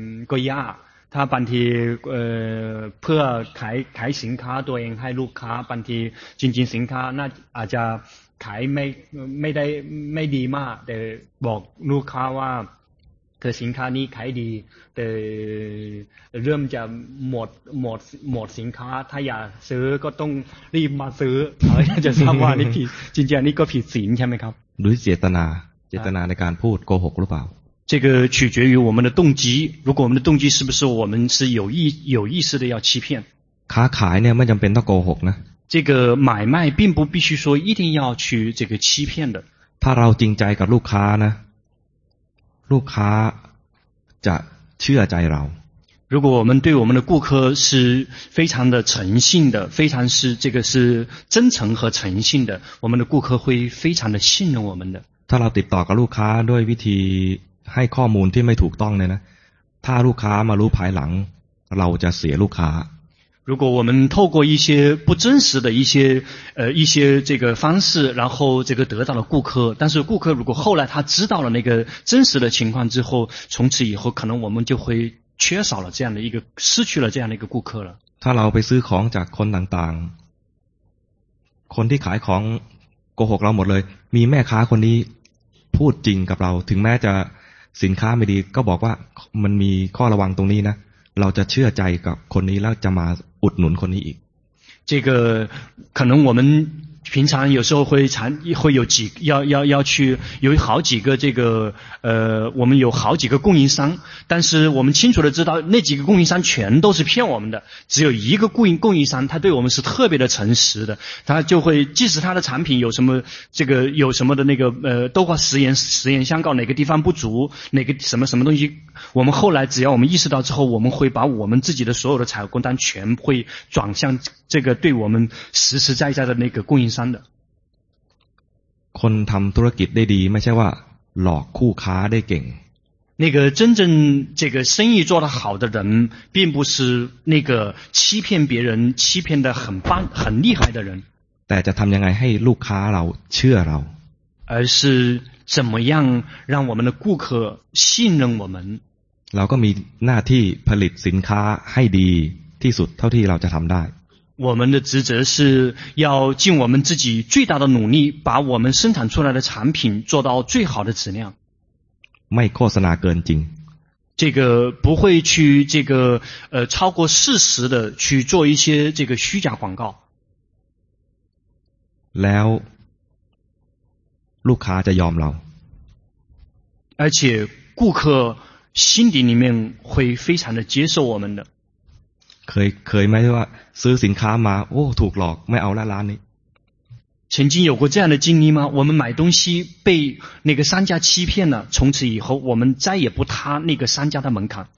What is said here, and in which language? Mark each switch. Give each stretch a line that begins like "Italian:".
Thai: ก็ยากถ้าบางทีเพื่อขายสินค้าตัวเองให้ลูกค้าบางทีจริงๆสินค้าน่าอาจจะขายไม่ได้ไม่ดีมากแต่บอกลูกค้าว่าเธอสินค้านี้ขายดีแต่เริ่มจะหมดสินค้าถ้าอยากซื้อก็ต้องรีบมาซื้ออะไรจะทราบว่านี่ผิดจริงๆอันนี้ก็ผิดศีลใช่ไหมครับ หรือเจตนาในการพูดโกหกหรือเปล่า
Chinese: 这个取决于我们的动机如果我们的动机是不是我们是有意识的要欺骗
Thai: ค้าขายเนี่ยไม่จำเป็นต้องโกหกนะ
Chinese: 这个买卖并不必须说一定要去这个欺骗的
Thai: ถ้าเราจริงใจกับลูกค้านะลูกค้าจะเชื่อใจเรา
Chinese: 如果我们对我们的顾客是非常的诚信的非常是这个是真诚和诚信的我们的顾客会非常的信任我们的
Thai: ถ้าเราติดต่อกับลูกค้าด้วยวิธีให้ข้อมูลที่ไม่ถูกต้องเนี่ยนะถ้าลูกค้ามารู้ภายหลังเราจะเสียลูกค้า
Chinese: 如果我们透过一些不真实的一些这个方式然后这个得到了顾客但是顾客如果后来他知道了那个真实的情况之后从此以后可能我们就会缺少了这样的一个失去了这样的一个顾客了
Thai: ถ้าเราไปซื้อของจากคนต่างๆคนที่ขายของโกหกเราหมดเลยมีแม่ค้าคนนี้พูดจริงกับเราถึงแม้จะสินค้าไม่ดีก็บอกว่ามันมีข้อระวังตรงนี้นะเราจะเชื่อใจกับคนนี้แล้วจะมาอุดหนุนคนนี้อีก
Chinese: 这个可能我们平常有时候会常会有几要去有好几个这个我们有好几个供应商，但是我们清楚的知道那几个供应商全都是骗我们的，只有一个供应商他对我们是特别的诚实的，他就会即使他的产品有什么这个有什么的那个都会实验相告哪个地方不足哪个什么什么东西，我们后来只要我们意识到之后，我们会把我们自己的所有的采购单全会转向这个对我们实实在在的那个供应商的。
Thai: คนทำธุรกิจได้ดีไม่ใช่ว่าหลอกคู่ค้าได้เก่ง。
Chinese: 那个真正这个生意做得好的人，并不是那个欺骗别人欺骗的很棒很厉害的人。
Thai: แต่จะทำยังไงให้ลูกค้าเราเชื่อเรา。
Chinese: 而是怎么样让我们的顾客信任我们。
Thai: เราก็มีหน้าที่ผลิตสินค้าให้ดีที่สุดเท่าที่เราจะทำได้。
Chinese: 我们的职责是要尽我们自己最大的努力，把我们生产出来的产品做到最好的质量。
Thai: ไม่โฆษณาเกินจริง。
Chinese: 这个不会去这个超过事实的去做一些这个虚假广告。
Thai: แล้วลูกค้าจะยอมเรา。
Chinese: 而且顾客心底里面会非常的接受我们的。
Thai: เคยไหมที่ว่าซื้อสินค้ามาโอ้ถูกหลอกไม่เอาแล้วร้านนี้
Chinese: 曾经有过这样的经历吗？我们买东西被那个商家欺骗了，从此以后我们再也不踏那个商家的门槛。